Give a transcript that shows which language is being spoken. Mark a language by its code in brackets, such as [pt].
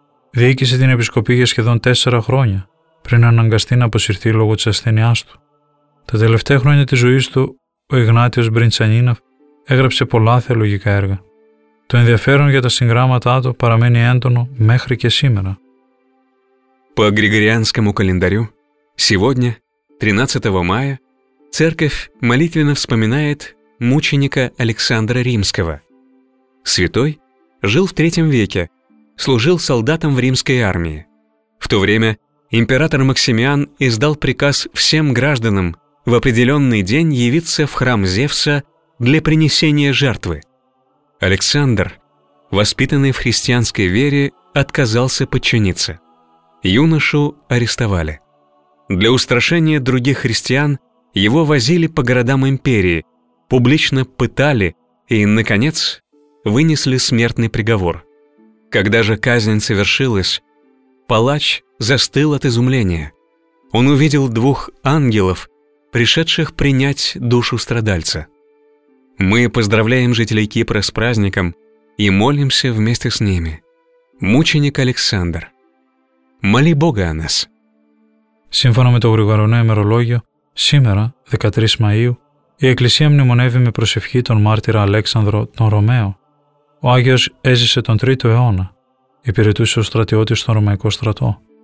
[el] Διοίκησε την Επισκοπή για σχεδόν 4 χρόνια πριν αναγκαστεί να αποσυρθεί λόγω της ασθένειάς του. Τα τελευταία χρόνια της ζωής του, ο Ιγνάτιος Μπριντσανίνοφ έγραψε πολλά θεολογικά έργα. Το ενδιαφέρον για τα συγγράμματά του παραμένει έντονο μέχρι και σήμερα. [ru] По Григорианскому календарю сегодня, 13 мая, церковь молитвенно вспоминает мученика Александра Римского. Святой жил в III веке, служил солдатом в римской армии. В то время император Максимиан издал приказ всем гражданам в определенный день явиться в храм Зевса для принесения жертвы. Александр, воспитанный в христианской вере, отказался подчиниться. Юношу арестовали. Для устрашения других христиан его возили по городам империи, публично пытали и, наконец, вынесли смертный приговор. Когда же казнь совершилась, палач застыл от изумления. Он увидел двух ангелов, пришедших принять душу страдальца. Мы поздравляем жителей Кипра с праздником и молимся вместе с ними. Мученик Александр. Моли Бога о нас. [el] Σύμφωνα με το Γρηγοριανό ημερολόγιο, σήμερα, 13 Μαΐου, η Εκκλησία μνημονεύει με προσευχή τον μάρτυρα Αλέξανδρο τον Ρωμαίο. Ο Άγιος έζησε τον 3ο αιώνα, υπηρετούσε ως στρατιώτης στον Ρωμαϊκό στρατό.